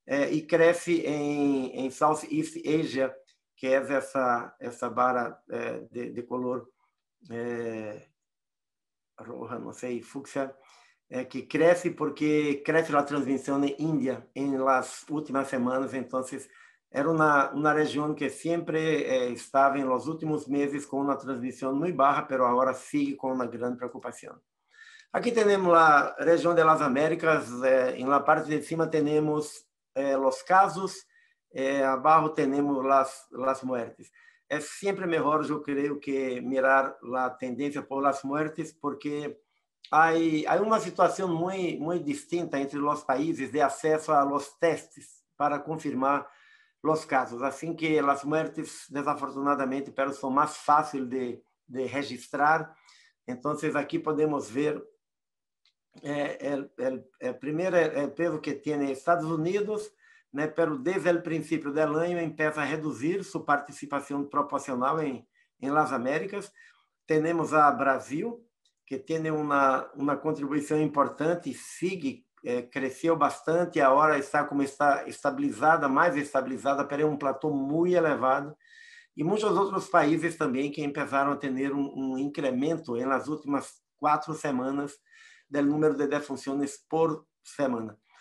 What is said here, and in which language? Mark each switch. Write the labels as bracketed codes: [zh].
[es] y crece en Southeast Asia, que es esa barra de color roja, no sé, fucsia, [pt] que cresce porque cresce a transmissão na Índia [es] em las últimas semanas. [pt] Então, era uma região que sempre estava [es] em los últimos meses [pt] com uma transmissão muito baixa, [es] pero agora sigue [pt] com uma grande preocupação. Aqui temos a região [es] de las Américas. [pt] Em la parte de cima temos [es] los casos, [pt] abaixo temos [es] las muertes. [pt] É sempre melhor, eu creio, que [es] mirar la tendência por las muertes, porque hay una situación muy, muy distinta entre los países de acceso a los testes para confirmar los casos. Así que las muertes, desafortunadamente, pero son más fáciles de registrar. Entonces, aquí podemos ver el primer peso que tiene Estados Unidos, [pt] né, [es] pero desde el principio del año empieza a reducir su participación proporcional en las Américas. Tenemos a Brasil, [pt] que tem uma contribuição importante, [es] sigue, [pt] cresceu bastante, agora está como está estabilizada, mais estabilizada, mas é um platô muito elevado. E muitos outros países também que começaram a ter um incremento nas últimas 4 semanas do número de defunções por semana.